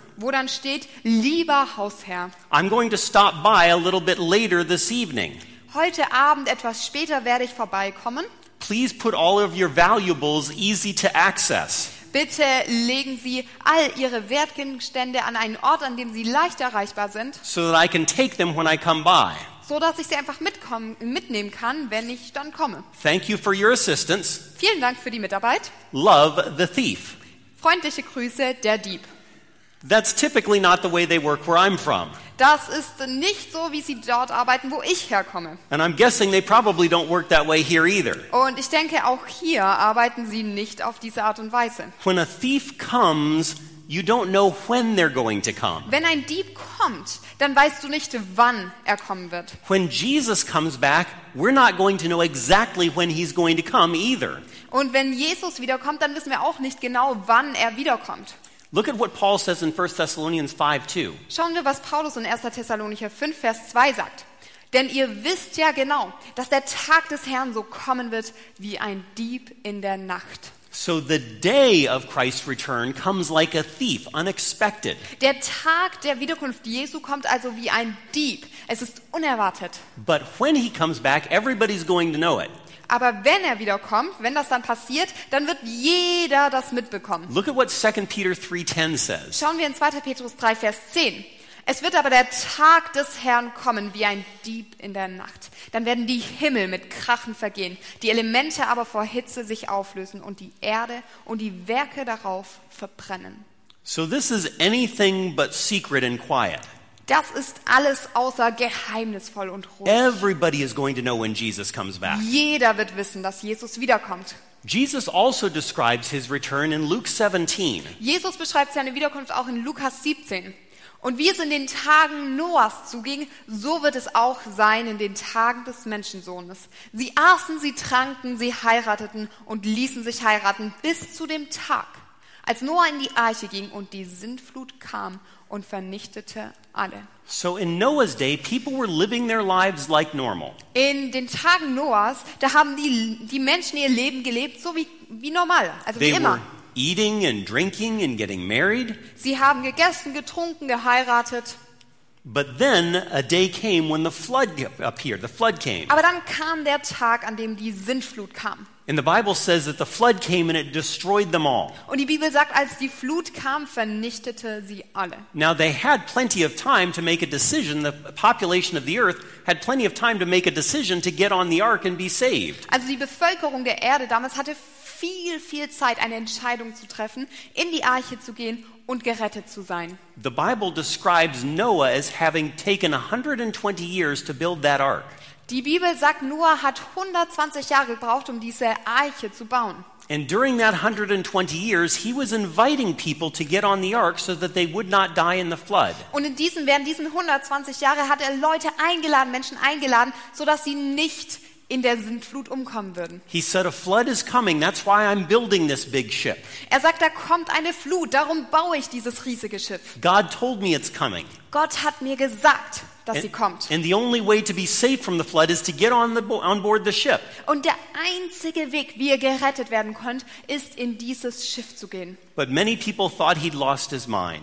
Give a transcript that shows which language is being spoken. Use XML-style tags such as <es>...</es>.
<de>Wo dann steht, lieber Hausherr.</de> <en>I'm going to stop by a little bit later this evening.</en> <de>Heute Abend etwas später werde ich vorbeikommen.</de> <en>Please put all of your valuables easy to access.</en> <de>Bitte legen Sie all Ihre Wertgegenstände an einen Ort, an dem Sie leicht erreichbar sind.</de> <en>So that I can take them when I come by.</en> <de>So dass ich sie einfach mitnehmen kann, wenn ich dann komme.</de> <en>Thank you for your assistance.</en> <de>Vielen Dank für die Mitarbeit.</de> <en>Love, the thief.</en> <de>Freundliche Grüße, der Dieb.</de> <en>That's typically not the way they work where I'm from.</en> <de>Das ist nicht so, wie sie dort arbeiten, wo ich herkomme.</de> <en>And I'm guessing they probably don't work that way here either.</en> <de>Und ich denke, auch hier arbeiten sie nicht auf diese Art und Weise.</de> <en>When a thief comes, you don't know when they're going to come.</en> <de>Wenn ein Dieb kommt, dann weißt du nicht, wann kommen wird.</de> <en>When Jesus comes back, we're not going to know exactly when he's going to come either.</en> <de>Und wenn Jesus wiederkommt, dann wissen wir auch nicht genau, wann wiederkommt.</de> <en>Look at what Paul says in 1 Thessalonians 5:2.</en> <de>Schauen wir, was Paulus in 1. Thessalonicher 5, Vers 2 sagt. Denn ihr wisst ja genau, dass der Tag des Herrn so kommen wird wie ein Dieb in der Nacht.</de> <en>So the day of Christ's return comes like a thief, unexpected.</en> <de>Der Tag der Wiederkunft Jesu kommt also wie ein Dieb. Es ist unerwartet.</de> <en>But when he comes back, everybody's going to know it.</en> <de>Aber wenn wiederkommt, wenn das dann passiert, dann wird jeder das mitbekommen.</de> <en>Look at what 2 Peter 3:10 says.</en> <de>Schauen wir in 2. Petrus 3, Vers 10. Es wird aber der Tag des Herrn kommen wie ein Dieb in der Nacht. Dann werden die Himmel mit Krachen vergehen, die Elemente aber vor Hitze sich auflösen und die Erde und die Werke darauf verbrennen.</de> <en>So this is anything but secret and quiet.</en> <de>Das ist alles außer geheimnisvoll und ruhig.</de> <en>Everybody is going to know when Jesus comes back.</en> <de>Jeder wird wissen, dass Jesus wiederkommt.</de> <en>Jesus also describes his return in Luke 17.</en> <de>Jesus beschreibt seine Wiederkunft auch in Lukas 17. Und wie es in den Tagen Noahs zuging, so wird es auch sein in den Tagen des Menschensohnes. Sie aßen, sie tranken, sie heirateten und ließen sich heiraten bis zu dem Tag, als Noah in die Arche ging und die Sintflut kam und vernichtete alle.</de> <en>So in Noah's day, people were living their lives like normal.</en> <de>In den Tagen Noahs, da haben die Menschen ihr Leben gelebt, so wie normal, also</de> <en>they</en> <de>wie immer.</de> <en>Eating and drinking and getting married.</en> <de>Sie haben gegessen, getrunken, geheiratet.</de> <en>But then a day came when the flood appeared. The flood came.</en> <de>Aber dann kam der Tag, an dem die Sintflut kam.</de> <en>And the Bible says that the flood came and it destroyed them all.</en> <de>Und die Bibel sagt, als die Flut kam, vernichtete sie alle.</de> <en>Now they had plenty of time to make a decision. The population of the earth had plenty of time to make a decision to get on the ark and be saved.</en> <de>Also die Bevölkerung der Erde damals hatte viel Zeit, eine Entscheidung zu treffen, in die Arche zu gehen und gerettet zu sein.</de> <en>The Bible describes Noah as having taken 120 years to build that ark.</en> <de>Die Bibel sagt, Noah hat 120 Jahre gebraucht, um diese Arche zu bauen.</de> <en>And during that 120 years, he was inviting people to get on the ark so that they would not die in the flood.</en> <de>Und während diesen 120 Jahre hat Leute eingeladen, Menschen eingeladen, so dass sie nicht in der Sintflut umkommen würden.</de> <en>He said, a flood is coming, that's why I'm building this big ship.</en> <de>Er sagt, da kommt eine Flut, darum baue ich dieses riesige Schiff.</de> <en>God told me it's coming.</en> <de>Gott hat mir gesagt, dass sie kommt.</de> <en>And the only way to be safe from the flood is to get on board the ship.</en> <de>Und der einzige Weg, wie ihr gerettet werden könnt, ist in dieses Schiff zu gehen.</de> <en>But many people thought he'd lost his mind.</en>